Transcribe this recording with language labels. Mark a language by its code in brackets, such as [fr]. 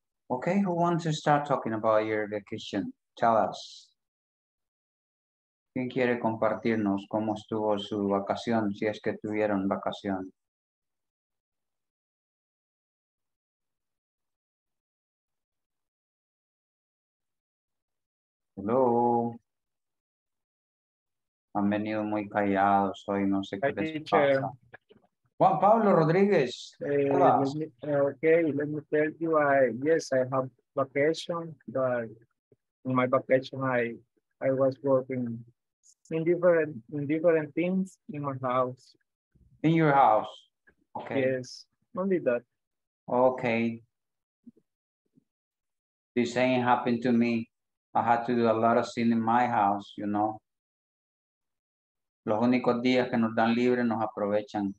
[en] Okay, who wants to start talking about your vacation? Tell us. [es] ¿Quién quiere compartirnos cómo estuvo su vacación, si es que tuvieron vacación? [en] Hello. [es] Han venido muy callados hoy, no sé qué les pasa. Juan Pablo Rodriguez. [en] Okay, let me tell you, yes, I have vacation, but in my vacation, I was working in different things in my house. In your house? Okay. Yes, only that. Okay. The same happened to me. I had to do a lot of things in my house, you know. [es] Los únicos días que nos dan libre nos aprovechan.